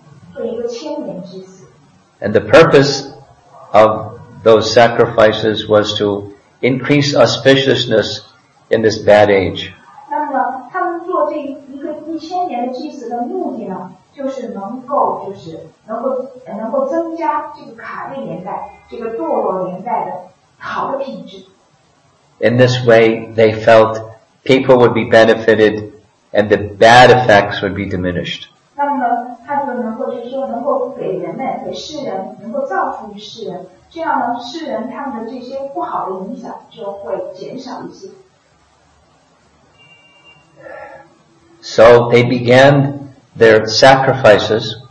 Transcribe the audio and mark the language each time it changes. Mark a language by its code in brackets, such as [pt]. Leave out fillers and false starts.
[zh] 所以呢，他们做出了这样的这些圣人做出了这样的计划，他们会做出一系列的祭祀，一直做一千年，做一个千年之祀。 [en] And the purpose of those sacrifices was to increase auspiciousness in this bad age. [zh] 那么他们做这一个一千年的祭祀的目的呢，就是能够增加这个卡利年代这个堕落年代的好的品质。 [en] In this way, they felt people would be benefited and the bad effects would be diminished. [zh] 那么他们能够就是说能够给人们、给世人能够造福于世人，这样呢，世人他们的这些不好的影响就会减少一些。 [en] So they began their sacrifices.